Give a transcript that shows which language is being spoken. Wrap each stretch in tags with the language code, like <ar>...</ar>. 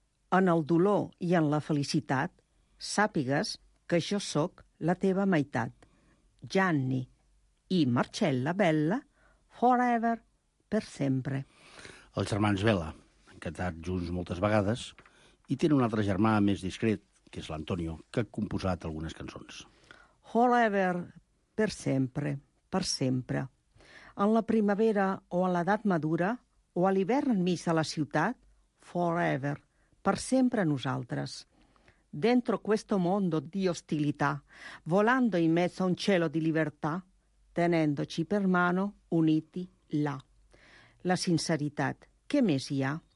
<ca>En el dolor i en la felicitat, sàpigues que jo sóc la teva meitat. Gianni i Marcella Bella, forever, per sempre. Els germans Bella han cantat junts moltes vegades i tenen un altre germà més discret, que és l'Antonio, que ha composat algunes cançons. Forever, per sempre, per sempre. En la primavera o a l'edat madura, o a l'hivern enmig de la ciutat, forever, per sempre nosaltres.</ca> <it>Dentro questo mondo di ostilità, volando in mezzo a un cielo di libertà, tenendoci per mano uniti là.</it> <ca>La sinceritat, què més hi ha?</ca>